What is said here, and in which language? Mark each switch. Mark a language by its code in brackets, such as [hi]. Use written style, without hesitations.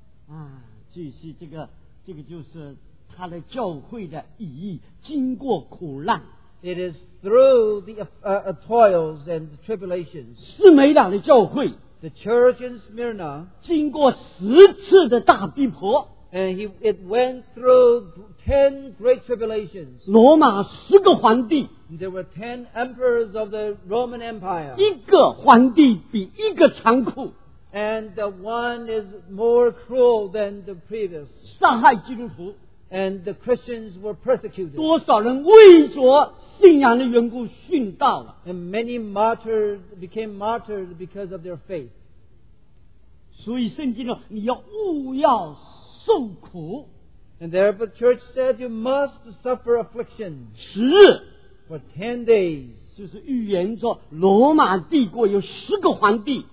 [zh] 啊，继续这个就是他的教会的意义，经过苦难。 [en] It is through the toils and the tribulations. [zh] 士美那的教会, [en] the church in Smyrna, [zh] 经过10次的大逼迫, [en] and it went through 10 great tribulations. [zh] 罗马10个皇帝, [en] there were 10 emperors of the Roman Empire. [zh] 一个皇帝比一个残酷, [en] and the one is more cruel than the previous. [zh] 杀害基督徒, [en] and the Christians were persecuted. [zh] 多少人为着信仰的缘故殉道了, [en] and many martyrs became martyrs because of their faith. [zh] 所以圣经说你要务要受苦, [en] and therefore the church said you must suffer affliction. [zh] 十日, [en] for 10 days. [zh] 就是预言说罗马帝国有10个皇帝,